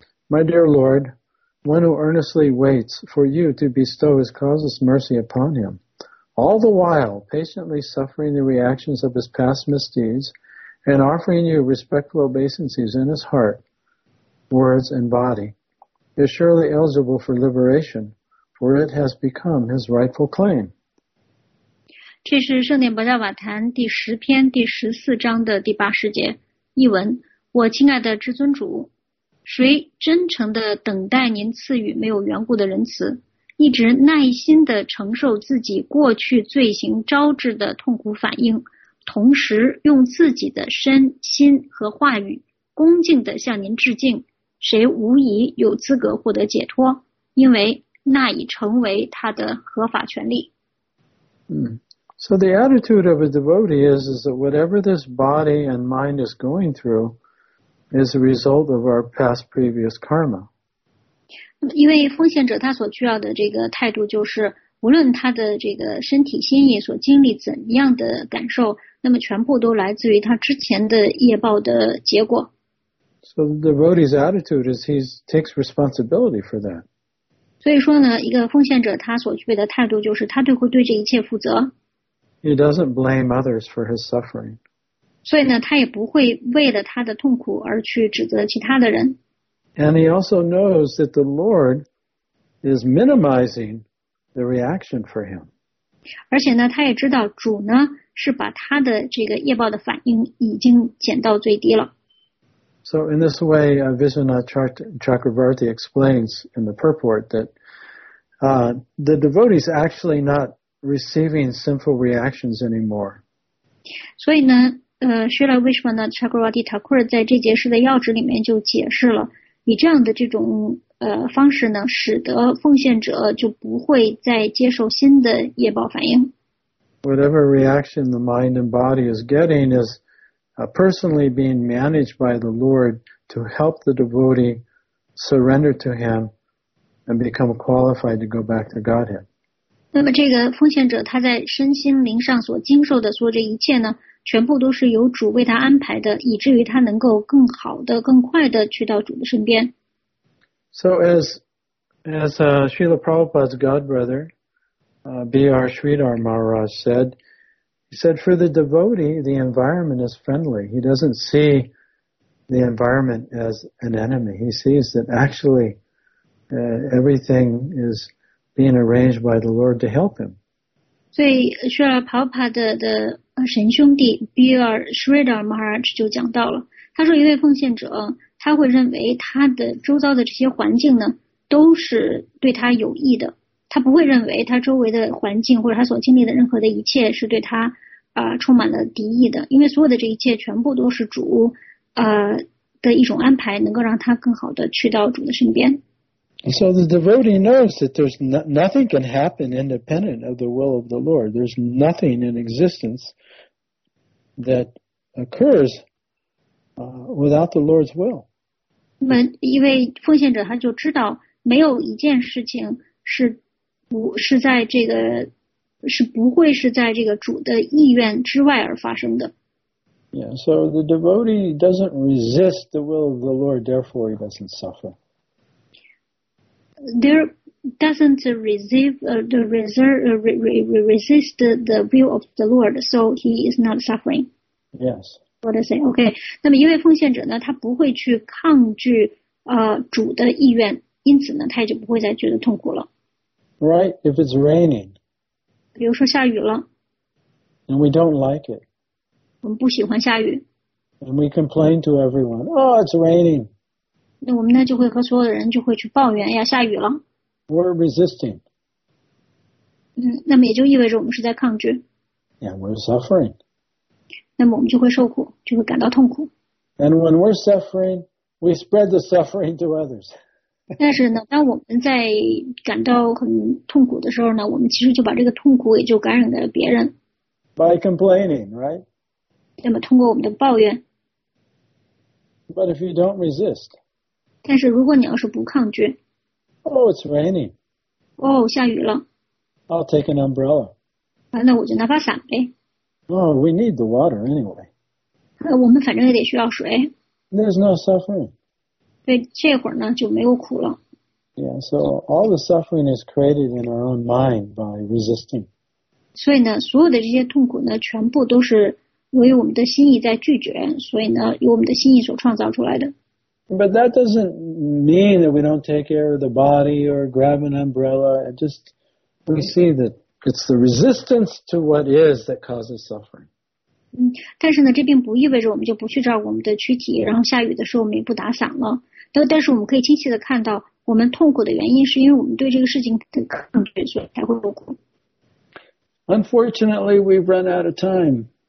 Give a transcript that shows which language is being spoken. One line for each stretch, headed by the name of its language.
English: My dear Lord, one who earnestly waits for you to bestow his causeless mercy upon him, all the while patiently suffering the reactions of his past misdeeds and offering you respectful obeisances in his heart, words, and body, is surely eligible for liberation. Where it has become his rightful claim.
Chinese: 这是圣典不教瓦坛第十篇第十四章的第八十节译文。我亲爱的至尊主，谁真诚地等待您赐予没有缘故的仁慈，一直耐心地承受自己过去罪行招致的痛苦反应，同时用自己的身心和话语恭敬地向您致敬，谁无疑有资格获得解脱，因为。那已成为他的合法权利。
English: So the attitude of a devotee is that whatever this body and mind is going through is a result of our past previous karma.
Chinese: 因为奉献者他所需要的这个态度就是无论他的这个身体心意所经历怎样的感受那么全部都来自于他之前的业报的结果。
English: So the devotee's attitude is he takes responsibility for that.
Chinese: 所以说呢一个奉献者他所具备的态度就是他对会对这一切负责。
English: He doesn't blame others for his suffering.
Chinese: 所以呢他也不会为了他的痛苦而去指责其他的人。
English: And he also knows that the Lord is minimizing the reaction for him.
Chinese: 而且呢他也知道主呢是把他的这个业报的反应已经减到最低了。
English: So in this way, Viswanath Chakravarti explains in the purport that the devotee is actually not receiving sinful reactions anymore.
Chinese: 所以呢，学了 Viswanath Chakravarti Thakur 在这节式的要旨里面就解释了，你这样的这种方式呢，使得奉献者就不会再接受新的业报反应。
English: Whatever reaction the mind and body is getting is personally being managed by the Lord to help the devotee surrender to Him and become qualified to go back to Godhead.
Chinese: 那么这个奉献者他在身心灵上所经受的所有这一切呢，全部都是由主为他安排的，以至于他能够更好的、更快的去到主的身边。
English: So as Srila Prabhupada's godbrother, B.R. Sridhar Maharaj said, he said, for the devotee, the environment is friendly. He doesn't see the environment as an enemy. He sees that actually everything is being arranged by the Lord to help him.
Chinese: 所以 Srila Prabhupada 的神兄弟 B.R. Sridhar Maharaj 就讲到了，他说一位奉献者他会认为他的周遭的这些环境呢都是对他有益的，他不会认为他周围的环境或者他所经历的任何的一切是对他充满了敌意的，因为所有的这一切全部都是主的一种安排，能够让他更好的去到主的身边。
English: So the devotee knows that there's nothing can happen independent of the will of the Lord. There's nothing in existence that occurswithout the Lord's will.
Chinese: 那么一位奉献者他就知道没有一件事情是不是在这个是不会是在这个主的意愿之外而发生的。
English: Yeah, so the devotee doesn't resist the will of the Lord, therefore he doesn't suffer. There doesn't resist the will of the Lord, so he is not suffering. Yes. What I say, okay.
Chinese: 那么一位奉献者呢，他不会去抗拒主的意愿，因此呢，他也就不会再觉得痛苦了。
English: Right, if it's raining.
Chinese: 比如说下雨了。
English: And we don't like it.
Chinese: 我们不喜欢下雨。
English: And we complain to everyone. Oh, it's raining.
Chinese: 那我们呢就会和所有的人就会去抱怨，哎呀，下雨了。
English: We're resisting.
Chinese: 那么也就意味着我们是在抗拒。
English: Yeah, we're suffering.
Chinese: 那么我们就会受苦，就会感到痛苦。
English: And when we're suffering, we spread the suffering to others.
Chinese: 但是呢，当我们在感到很痛苦的时候呢，我们其实就把这个痛苦也就感染给了别人。
English: By complaining, right?
Chinese: 那么通过我们的抱怨。
English: But if you don't resist.
Chinese: 但是如果你要是不抗拒。
English: Oh, it's raining.
Chinese: 哦，下雨了。
English: I'll take an umbrella.
Chinese: 那我就拿把伞呗。
English: Oh, we need the water anyway.
Chinese: 我们反正也得需要水。
English: There's no suffering.
Chinese: 对，这会儿呢就没有苦了。
English: Yeah, so all the suffering is created in our own mind by resisting.
Chinese: 所以呢，所有的这些痛苦呢，全部都是由于我们的心意在拒绝，所以呢，由我们的心意所创造出来的。
English: But that doesn't mean that we don't take care of the body or grab an umbrella. It just, we see that. It's the resistance to what is that causes suffering.
Chinese: 但是呢，这并不意味着我们就不去照顾我们的躯体，然后下雨的时候我们也不打伞了。但是我们可以清晰的看到，我们痛苦的原因是因为我们对这个事情的抗拒，所以才会痛苦。
English: Unfortunately, we've run out of time.